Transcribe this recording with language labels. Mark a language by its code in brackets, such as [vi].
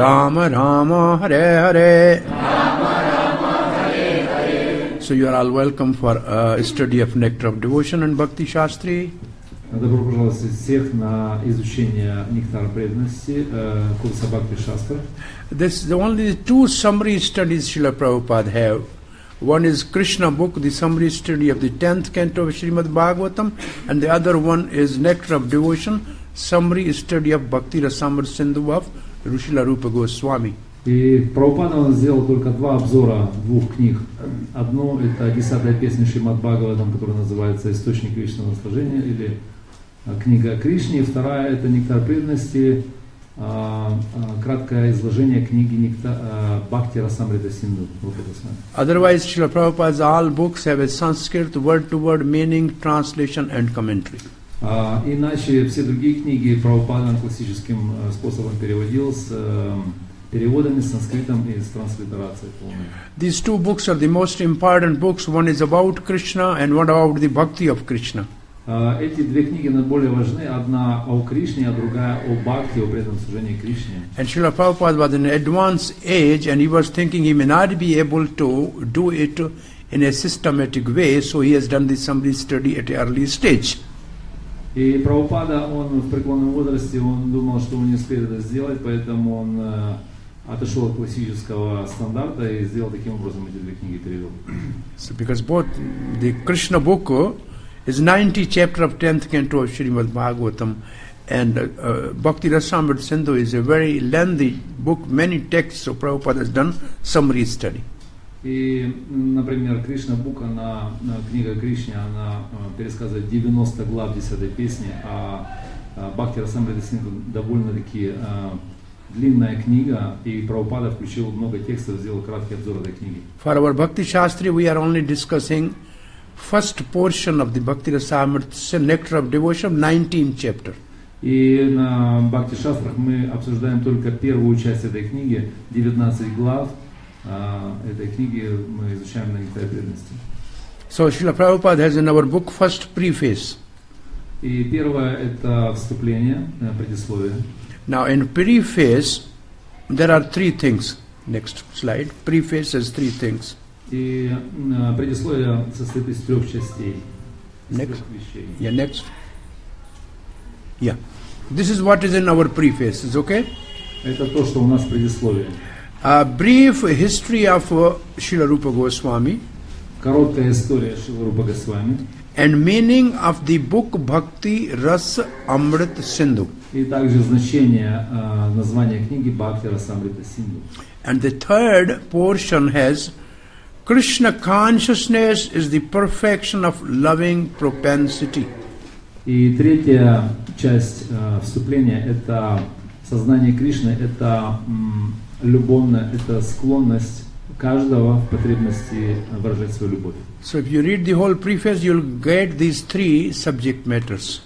[en] Rama Rama Hare Hare So you are all welcome for a study of Nectar of Devotion and Bhakti Shastri. [ru] Добро пожаловать всех на изучение Нектара преданности курса Бхакти Шастра. [en] This is the only two summary studies Srila Prabhupada have. One is Krishna book, the summary study of the 10th canto of Srimad Bhagavatam, and the other one is Nectar of Devotion, summary study of Bhakti Rasamrita Sindhu of Rushila Rupa Goswami. [ru] И Прабхупада он сделал только два обзора двух книг. Одно – это десятая песня Шримад Бхагаватам, которая называется «Источник вечного наслаждения» или «Книга Кришны». Вторая – это «Нектар преданности», краткое изложение книги Бхакти Расамрита Синдху. [en] Otherwise, Srila Prabhupada's all books have a Sanskrit word-to-word meaning, translation and commentary. [ru] Иначе все другие книги Прабхупада классическим способом переводил с переводами, санскритом и с транслитерацией полной. [en] These two books are the most important books. One is about Krishna and one about the bhakti of Krishna. [ru] Эти две книги наиболее важны. Одна о Кришне, а другая о Бхакти, о преданном служении Кришне. [en] And Srila Prabhupada was in an advanced age, and he was thinking he may not be able to do it in a systematic way, so he has done this Samrit study at an early stage. [ru] И Прабхупада, он в преклонном возрасте, он думал, что он не успеет это сделать, поэтому он отошел от классического стандарта и сделал таким образом эти две книги, перевел. [en] So because both the Krishna book is 90 chapter of 10th canto of Srimad Bhagavatam, and Bhakti Rasamrita Sindhu is a very lengthy book, many texts, so Prabhupada has done summary study. [ru] И, например, Кришна Бука, книга Кришне, она пересказывает 90 глав 10 песни, а Бхакти Расамрита Сингху довольно-таки длинная книга, и Прабхупада включил много текстов, сделал краткий обзор этой книги. [en] For our Bhakti Shastri, we are only discussing first portion of the Bhakti Rasamrita Nectar of Devotion, 19 chapter. [ru] И на Бхакти Шастрах мы обсуждаем только первую часть этой книги, 19 глав. Этой книги мы изучаем на некоторой преданности. [en] So Srila Prabhupada has in our book first preface. [ru] И первое это вступление, предисловие. [en] Now in preface there are three things. Next slide. Preface has three things. [ru] И предисловие состоит из трех частей. Из [en] next. Yeah, next. Yeah. This is what is in our preface. Is okay? [ru] Это то, что у нас в предисловии. [en] A brief history of Srila Rupa Goswami. [ru] Короткая история Srila Rupa Goswami. [en] And meaning of the book Bhakti Ras Amrit Sindhu. [ru] И также значение названия книги Бхакти Рас Амрита Синдху. [en] And the third portion has Krishna consciousness is the perfection of loving propensity. [ru] И третья часть вступления это сознание Кришны это любовная, это склонность каждого в потребности выражать свою любовь. [en] So if you read the whole preface, you'll get these three subject matters.